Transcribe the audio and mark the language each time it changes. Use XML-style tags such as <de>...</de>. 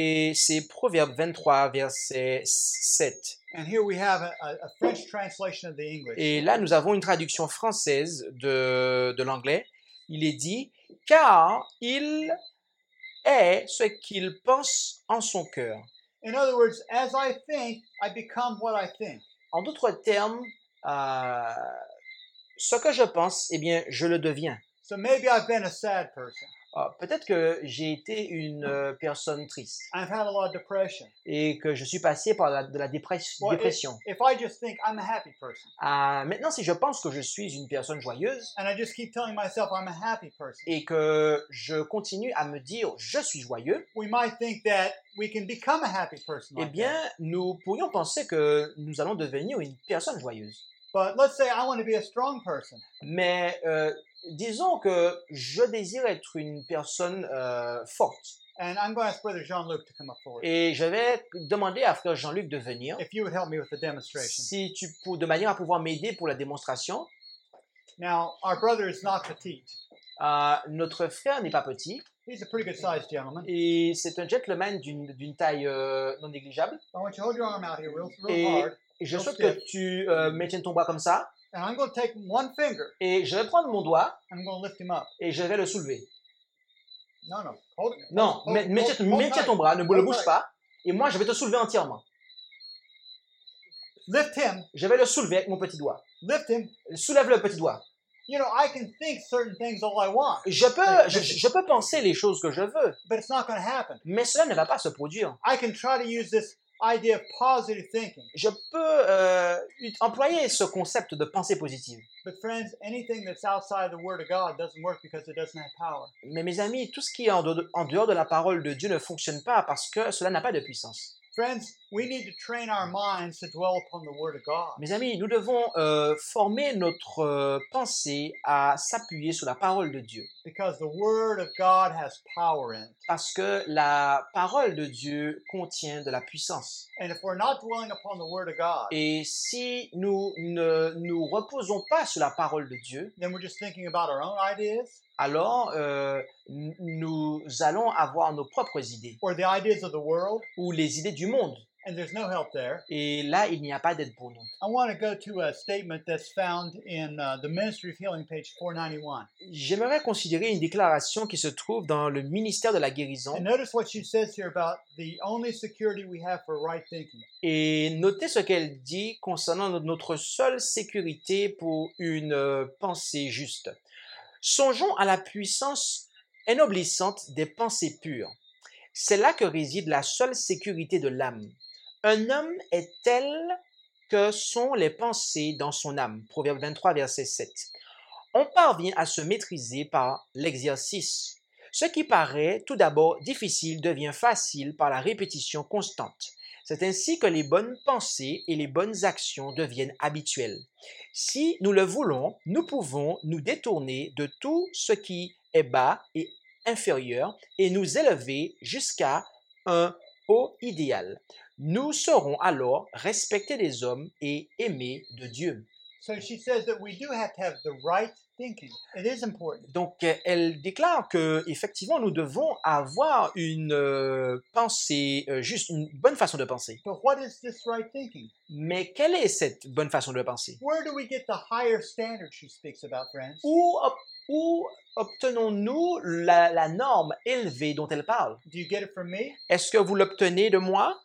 <fr>Et c'est Proverbe 23, verset 7.</fr> <en>And here we have a French translation of the English.</en> <fr>Et là, nous avons une traduction française de l'anglais. Il est dit, « Car il est ce qu'il pense en son cœur. »</fr> <en>In other words, as I think, I become what I think.</en> <fr>En d'autres termes, ce que je pense, eh bien, je le deviens.</fr> <en>So maybe I've been a sad person.</en> <fr>Peut-être que j'ai été une personne triste.</fr> <en>I've had a lot of depression.</en> <fr>Et que je suis passé par la dépression.</fr> <en>If I just think I'm a happy person.</en> <fr>Maintenant, si je pense que je suis une personne joyeuse.</fr> <en>And I just keep telling myself I'm a happy person.</en> <fr>Et que je continue à me dire je suis joyeux.</fr> <en>We might think that we can become a happy person.</en> <fr>Eh bien, nous pourrions penser que nous allons devenir une personne joyeuse.</fr> <en>But let's say I want to be a strong person.</en> <fr>Mais disons que je désire être une personne forte.</fr> <en>And I'm going to ask Brother Jean-Luc to come up forward.</en> <fr>Et je vais demander à Frère Jean-Luc de venir.</fr> <en>If you would help me with the demonstration.</en> <fr>Si tu de manière à pouvoir m'aider pour la démonstration.</fr> <en>Now, our brother is not petite.</en> <fr>Notre frère n'est pas petit.</fr> <en>He's a pretty good sized gentleman.</en> <fr>Et c'est un gentleman d'une taille non négligeable.</fr> <en>I want you to hold your arm out here real hard.</en> <fr>Et je souhaite que tu maintiennes ton bras comme ça.</fr> <en>And I'm going to take one finger.</en> <fr>Et je vais prendre mon doigt.</fr> <en>I'm going to lift him up.</en> <fr>Et je vais le soulever. Non, maintiens ton bras, ne bouge pas. Et moi, je vais te soulever entièrement.</fr> <en>Lift him.</en> <fr>Je vais le soulever avec mon petit doigt.</fr> <en>Lift him.</en> <fr>Soulève le petit doigt.</fr> <en>You know, I can think certain things all I want.</en> <fr>Je peux penser les choses que je veux.</fr> <en>But it's not going to happen.</en> <fr>Mais cela ne va pas se produire.</fr> <en>I can try to use this idea of positive thinking.</en> <fr>Je peux employer ce concept de pensée positive.</fr> <en>But friends, anything that's outside the word of God doesn't work because it doesn't have power.</en> <fr>Mais mes amis, tout ce qui est en dehors de la parole de Dieu ne fonctionne pas parce que cela n'a pas de puissance.</fr> <en>Friends, we need to train our minds to dwell upon the word of God.</en> <fr>Mes amis, nous devons former notre pensée à s'appuyer sur la parole de Dieu.</fr> <en>Because the word of God has power in it.</en> <fr>Parce que la parole de Dieu contient de la puissance.</fr> <en>And if we're not dwelling upon the word of God,</en> <fr>et si nous ne nous reposons pas sur la parole de Dieu,</fr> <en>then we're just thinking about our own ideas.</en> <fr>Alors, nous allons avoir nos propres idées.</fr> <en>Or the ideas of the world.</en> <fr>Ou les idées du monde.</fr> <en>And there's no help there.</en> <fr>Et là, il n'y a pas d'aide pour nous.</fr> <en>I want to go to a statement that's found in the Ministry of Healing, page 491.</en> <fr>J'aimerais considérer une déclaration qui se trouve dans le ministère de la guérison.</fr> <en>And notice what she says here about the only security we have for right thinking.</en> <fr>Et notez ce qu'elle dit concernant notre seule sécurité pour une pensée juste. Songeons à la puissance ennoblissante des pensées pures. C'est là que réside la seule sécurité de l'âme. Un homme est tel que sont les pensées dans son âme. Proverbe 23, verset 7. On parvient à se maîtriser par l'exercice. Ce qui paraît tout d'abord difficile devient facile par la répétition constante. C'est ainsi que les bonnes pensées et les bonnes actions deviennent habituelles. Si nous le voulons, nous pouvons nous détourner de tout ce qui est bas et inférieur et nous élever jusqu'à un haut idéal. Nous serons alors respectés des hommes et aimés de Dieu.</fr> <en>So she says that we do have to have the right thinking. It is important.</en> <fr>Donc elle déclare que effectivement nous devons avoir une pensée juste, une bonne façon de penser.</fr> <en>But what is this right thinking?</en> <fr>Mais quelle est cette bonne façon de penser?</fr> <en>Where do we get the higher standard she speaks about, friends?</en> <fr>Où obtenons-nous la norme élevée dont elle parle?</fr> <en>Do you get it from me?</en> <fr>Est-ce que vous l'obtenez de moi?</fr>